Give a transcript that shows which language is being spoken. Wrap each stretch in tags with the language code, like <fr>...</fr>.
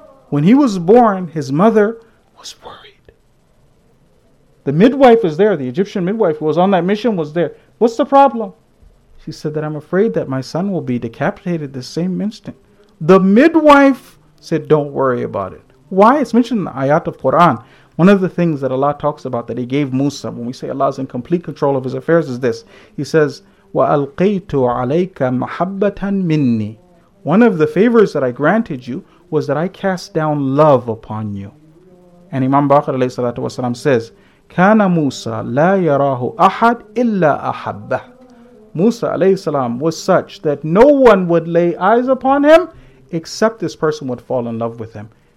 <en>When he was born, his mother was worried. The midwife was there, the Egyptian midwife who was on that mission was there. What's the problem? She said that I'm afraid that my son will be decapitated the same instant. The midwife said, don't worry about it. Why? It's mentioned in the ayat of Quran. One of the things that Allah talks about that he gave Musa, when we say Allah is in complete control of his affairs, is this. He says,</en> <ar>وَأَلْقَيْتُ عَلَيْكَ مَحَبَّةً مِنِّي.</ar> <en>One of the favors that I granted you was that I cast down love upon you. And Imam Baqir alayhi salatu wasalam says,</en> <ar>كَانَ مُوسَى لَا يَرَاهُ أَحَدْ إِلَّا أَحَبَّهُ.</ar> <en>Musa alayhi salam was such that no one would lay eyes upon him except this person would fall in love with him.</en>